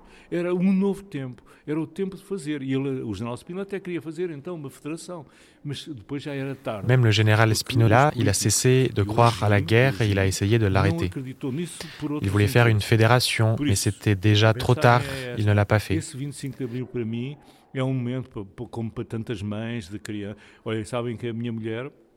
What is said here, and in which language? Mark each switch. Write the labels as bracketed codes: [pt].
[pt] Era novo tempo, era o tempo de fazer. E ele, o general Spinola até queria fazer então uma federação, mas depois já era tarde. [fr] Même le général Spinola, il a cessé de croire à la guerre et il a essayé de l'arrêter. Il voulait faire une fédération, mais c'était déjà trop tard, il ne l'a pas fait. [pt] Esse 25 de abril para mim é um momento como para tantas mães de criança. Olha, sabem que a minha mulher